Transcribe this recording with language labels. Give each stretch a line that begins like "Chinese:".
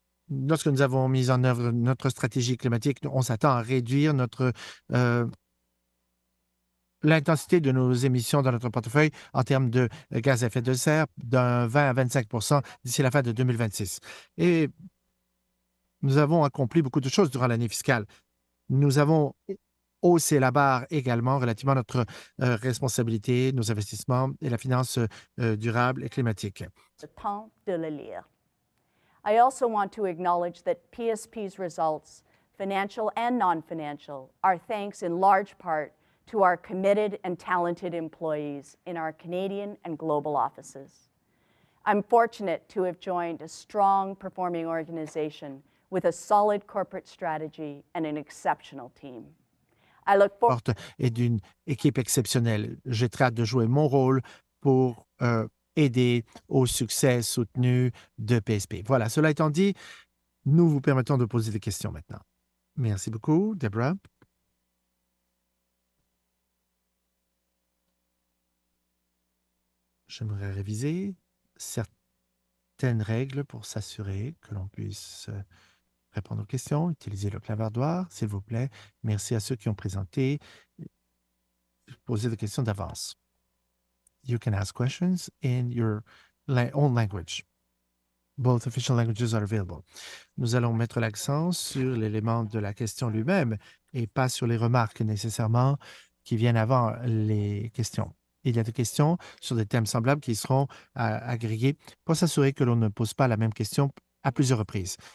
French: Lorsque nous avons mis en œuvre notre stratégie climatique, on s'attend à réduire l'intensité de nos émissions dans notre portefeuille en termes de gaz à effet de serre d'un 20 à 25 % d'ici la fin de 2026. Et nous avons accompli beaucoup de choses durant l'année fiscale. Nous avons haussé la barre également relativement à notre responsabilité, nos investissements et la finance durable et climatique. Le temps de le lire.
English: I also want to acknowledge that PSP's results, financial and non-financial, are thanks in large part to our committed and talented employees in our Canadian and global offices. I'm fortunate to have joined a strong performing organization with a solid corporate strategy and an exceptional team. I look forward to
French: et d'une équipe exceptionnelle. J'ai très hâte de jouer mon rôle pour aider au succès soutenu de PSP. Voilà, cela étant dit, nous vous permettons de poser des questions maintenant. Merci beaucoup, Deborah. J'aimerais réviser certaines règles pour s'assurer que l'on puisse répondre aux questions, utilisez le clavardoir, s'il vous plaît. Merci à ceux qui ont présenté, posé des questions d'avance.
English: You can ask questions in your own language. Both official languages are available.
French: Nous allons mettre l'accent sur l'élément de la question lui-même et pas sur les remarques nécessairement qui viennent avant les questions. Il y a des questions sur des thèmes semblables qui seront agrégées pour s'assurer que l'on ne pose pas la même question à plusieurs reprises.